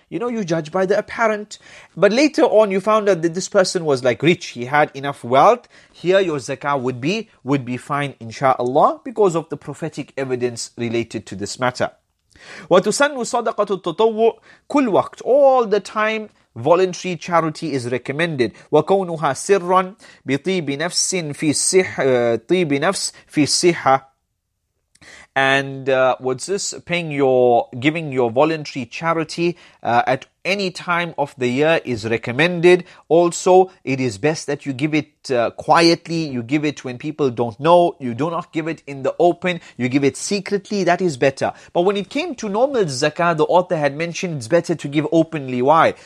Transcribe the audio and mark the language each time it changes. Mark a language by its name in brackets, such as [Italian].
[English] You know, you judge by the apparent. But later on, you found out that this person was like rich. He had enough wealth. Here, your zakah would be fine, insha'Allah, because of the prophetic evidence related to this matter. [Arabic] وَتُسَنُّ صَدَقَةُ التَّطَوُّعُ كُلْ وَقْتْ [English] All the time, voluntary charity is recommended. [Arabic] وَكَوْنُهَا سِرًّا بِطِيبِ نَفْسٍ فِي الصِّحَةِ طِيبِ نَفْسٍ فِي الصِّحَةِ [English] And what's this? Giving your voluntary charity at any time of the year is recommended. Also, it is best that you give it quietly. You give it when people don't know. You do not give it in the open. You give it secretly. That is better. But when it came to normal zakah, the author had mentioned it's better to give openly. Why?